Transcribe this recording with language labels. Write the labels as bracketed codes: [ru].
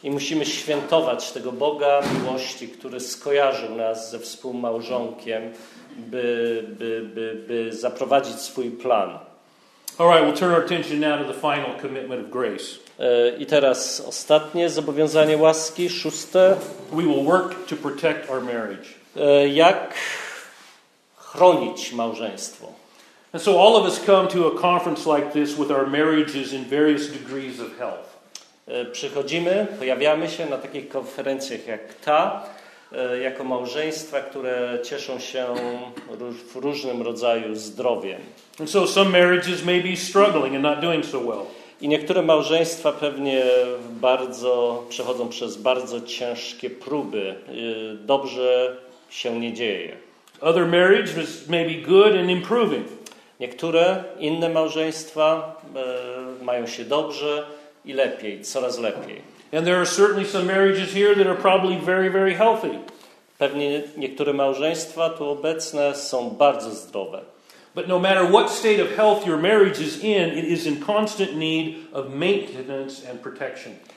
[pl] I musimy świętować tego Boga miłości, który skojarzył nas ze współmałżonkiem, by zaprowadzić swój plan. [en] All right, we'll turn our attention now to the final commitment of grace. [pl] I teraz ostatnie zobowiązanie łaski, szóste. [en] We will work to protect our marriage. [pl] Jak chronić małżeństwo? [en] And so all of us come to a conference like this with our marriages in various degrees of health. [pl] Przychodzimy, pojawiamy się na takich konferencjach jak ta, jako małżeństwa, które cieszą się w różnym rodzaju zdrowiem. [en] And so some marriages may be struggling and not doing so well. [pl] I niektóre małżeństwa pewnie bardzo przechodzą przez bardzo ciężkie próby. Dobrze się nie dzieje. [en] Other marriages may be good and improving. [pl] Niektóre inne małżeństwa mają się dobrze i lepiej, coraz lepiej. [en] And there are certainly some marriages here that are probably very, very healthy. [pl] Pewnie niektóre małżeństwa tu obecne są bardzo zdrowe. [en] But no matter what state of health your marriage is in, it is in constant need of maintenance and protection.